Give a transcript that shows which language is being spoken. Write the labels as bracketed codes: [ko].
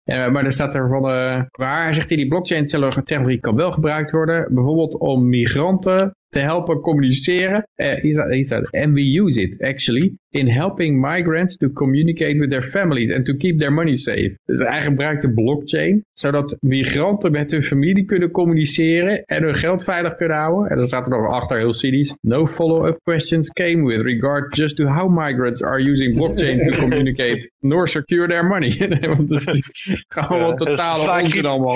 [nl] maar er staat er van, waar zegt hij, die blockchain technologie kan wel gebruikt worden. Bijvoorbeeld om migranten te helpen communiceren. [en] And we use it actually in helping migrants to communicate with their families and to keep their money safe. [nl] Dus hij gebruikt de blockchain zodat migranten met hun familie kunnen communiceren en hun geld veilig kunnen houden. En dan staat er nog achter heel cynisch: [en] no follow-up questions came with regard just to how migrants are using blockchain to communicate nor secure their money. [nl] Want dat is gewoon totaal onzin allemaal.